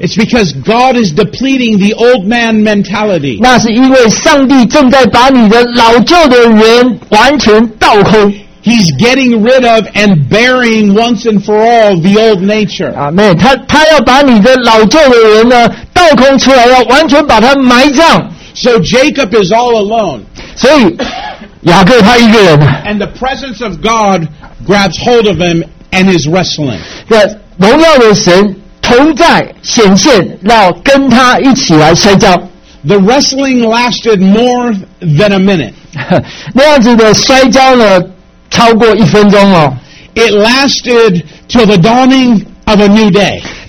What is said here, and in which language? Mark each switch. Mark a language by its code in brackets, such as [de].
[en] It's because God is depleting the old man mentality. [zh] 那是因为上帝正在把你的老旧的人完全倒空。 [en] He's getting rid of and burying once and for all the old nature. Amen. [zh] 他要把你的老旧的人呢倒空出来，要完全把它埋葬。 [en] So Jacob is all alone. [zh] 所以雅各他一个人。 [en] And the presence of God grabs hold of him and is wrestling. [zh] 荣耀的神同在显现，要跟他一起来摔跤。 [en] The wrestling lasted more than a minute. [zh] 那样子的摔跤呢，超过一分钟哦。 [en] It lasted till the dawning of a new day.